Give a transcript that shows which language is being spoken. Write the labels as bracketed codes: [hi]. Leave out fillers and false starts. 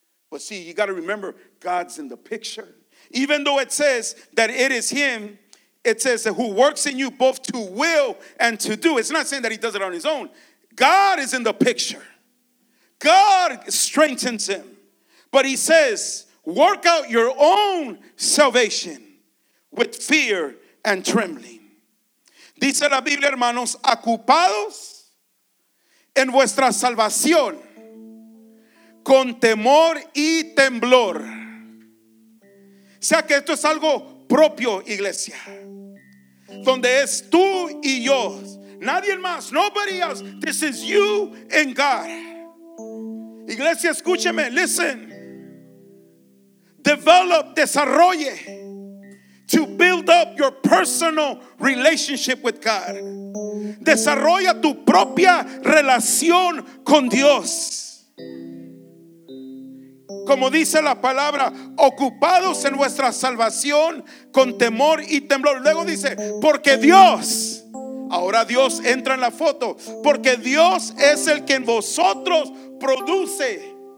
[en] But see, you got to remember, God's in the picture. Even though it says that it is him, it says that who works in you both to will and to do. It's not saying that he does it on his own. God is in the picture. God strengthens him. But he says, work out your own salvation with fear and trembling. [es] Dice la Biblia, hermanos, ocupados en vuestra salvación con temor y temblor. O sea que esto es algo propio, iglesia. Donde es tú y yo. Nadie más. [en] Nobody else. This is you and God. [es] Iglesia, escúcheme. [en] Listen. Develop, [es] desarrolle. [en] To build up your personal relationship with God. [es] Desarrolla tu propia relación con Dios. Como dice la palabra, ocupados en vuestra salvación con temor y temblor. Luego dice, porque Dios, ahora Dios entra en la foto, porque Dios es el que en vosotros produce.